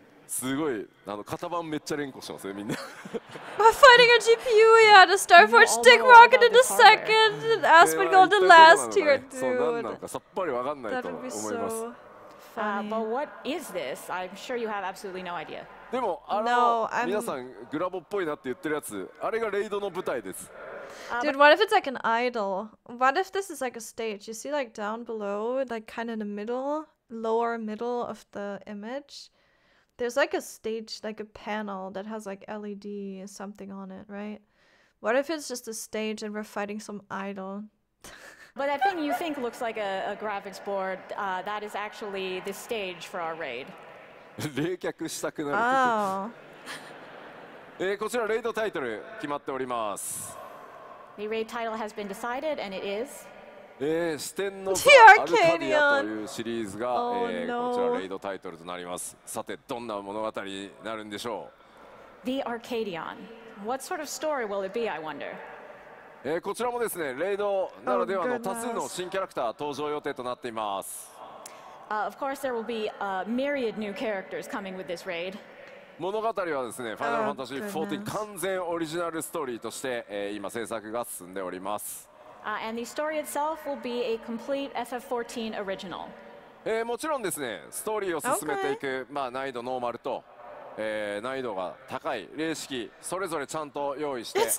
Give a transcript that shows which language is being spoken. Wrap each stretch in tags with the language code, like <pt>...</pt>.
<ja>すごい、あの、型番めっちゃ連呼しますね、みんな。</ja> <en>We're fighting a GPU, yeah, the Starforge Dick Rocket in the second, and Aspen Gold in last tier, dude.</en> <ja>そう、なんなんか、さっぱりわかんないと思います。</ja> <en>But what is this? I'm sure you have absolutely no idea.</en> <ja>でも、あの、皆さん、グラボっぽいなって言ってるやつ、あれがレイドの舞台です。</ja> <en>Dude, what if it's like an idol? What if this is like a stage? You see like down below, like kind of the middle, lower middle of the image? There's like a stage, like a panel that has like LED something on it, right? What if it's just a stage and we're fighting some idol? But that thing you think looks like a graphics board, that is actually the stage for our raid. Oh.</en> <ja>こちらレイドタイトル決まっております。</ja> <en>The raid title has been decided and it is...</en> <ja>ステンノブ・アルカディアというシリーズが、こちらレイドタイトルとなります。さてどんな物語になるんでしょう。</ja> <en>The Arcadian. What sort of story will it be, I wonder?</en> <ja>こちらもですね、レイドならではの多数の新キャラクター登場予定となっています。</ja> <en>Of course there will be a myriad new characters coming with this raid.</en> <ja>物語はですね、ファイナルファンタジー14完全オリジナルストーリーとして、今制作が進んでおります。</ja> <en>And the story itself will be a complete FF14 original.</en> <ja>もちろんですね、ストーリーを進めていく、まあ、難易度ノーマルと、難易度が高い、零式、それぞれちゃんと用意してあります。</ja>